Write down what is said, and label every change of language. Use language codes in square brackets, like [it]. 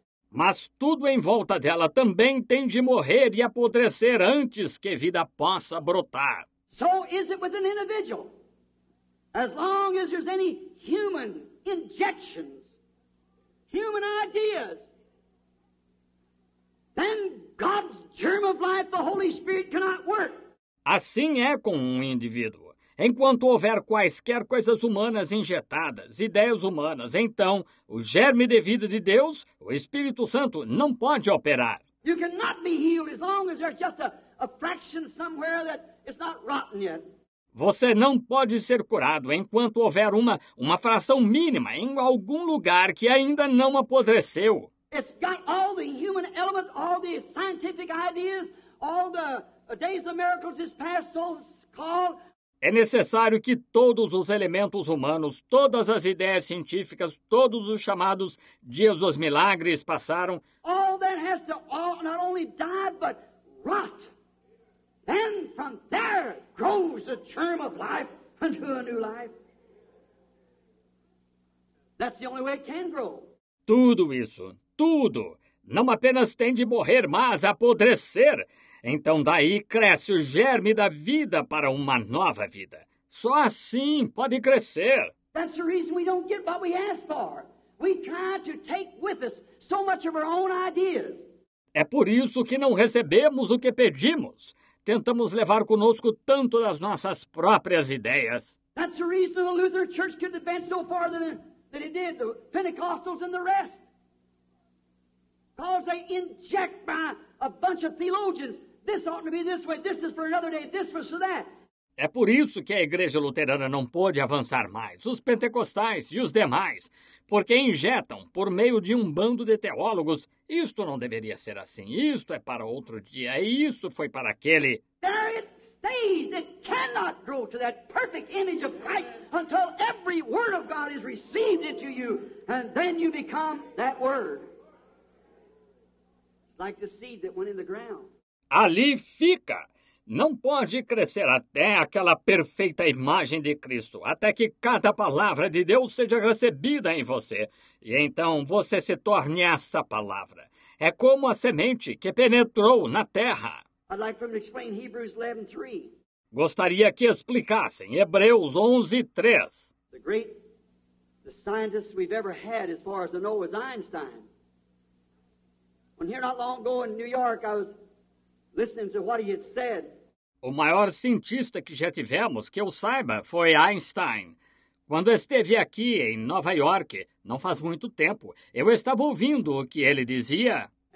[pt] Mas tudo em volta dela também tem de morrer e apodrecer antes que vida possa brotar. [en] So is it with an individual. As long as there's any human injections, human ideas, then God's germ of life, the Holy Spirit, cannot work. [pt] Assim é com um indivíduo. Enquanto houver quaisquer coisas humanas injetadas, ideias humanas, então o germe de vida de Deus, o Espírito Santo, não pode operar. [en] You cannot be healed as long as there's just a fraction somewhere that is not rotten yet. [pt] Você não pode ser curado enquanto houver uma fração mínima em algum lugar que ainda não apodreceu. [en] It's got all the human element, all the scientific ideas, all the days of miracles is past, so it's called. [pt] É necessário que todos os elementos humanos, todas as ideias científicas, todos os chamados dias dos milagres passaram. [en] All that has to all, not only die, but rot. Then from there grows the germ of life unto a new life. That's the only way it can grow. [pt] Tudo isso, tudo, não apenas tem de morrer, mas apodrecer. Então daí cresce o germe da vida para uma nova vida. Só assim pode crescer. [en] That's the reason we don't get what we ask for. We try to take with us so much of our own ideas. [pt] É por isso que não recebemos o que pedimos. Tentamos levar conosco tanto das nossas próprias ideias. [en] That's the reason the Lutheran Church could advance so far than it did, the Pentecostals and the rest. Because they inject by a bunch of theologians, this ought to be this way, this is for another day, this was for that. [pt] É por isso que a Igreja Luterana não pôde avançar mais, os pentecostais e os demais, porque injetam por meio de um bando de teólogos. Isto não deveria ser assim, isto é para outro dia, e isto foi para aquele. [en] There it stays, it cannot grow to that perfect image of Christ until every word of God is received into you, and then you become that word. It's like the seed that went in the ground. [pt] Ali fica. Não pode crescer até aquela perfeita imagem de Cristo, até que cada palavra de Deus seja recebida em você. E então você se torne essa palavra. É como a semente que penetrou na terra. [en] I'd like for them to explain Hebrews 11:3. [pt] Gostaria que explicassem Hebreus 11:3. [en] The great the scientist we've ever had, as far as I know, is Einstein. When here not long ago in New York, I was listening to what he had said. [pt] O maior cientista que já tivemos, que eu saiba, foi Einstein. Quando esteve aqui em Nova York, não faz muito tempo, eu estava ouvindo o que ele dizia.